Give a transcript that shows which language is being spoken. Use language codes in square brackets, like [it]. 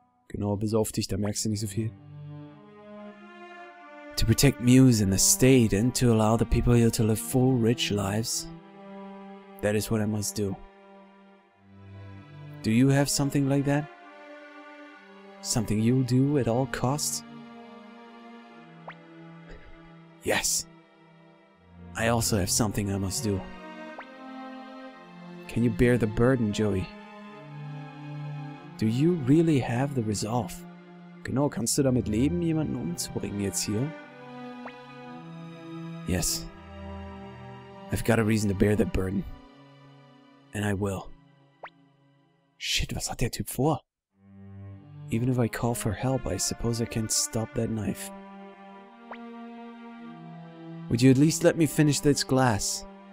[de] Genau, bis auf dich, da merkst du nicht so viel. [en] To protect Muse and the state and to allow the people here to live full, rich lives. That is what I must do. Do you have something like that? Something you'll do at all costs? Yes. I also have something I must do. Can you bear the burden, Joey? Do you really have the resolve? [de] Genau, kannst du damit leben, jemanden umzubringen jetzt hier? [en] Yes. I've got a reason to bear that burden. And I will. Shit, [de] was hat der Typ vor? [en] Even if I call for help, I suppose I can't stop that knife. Would you at least let me finish this glass?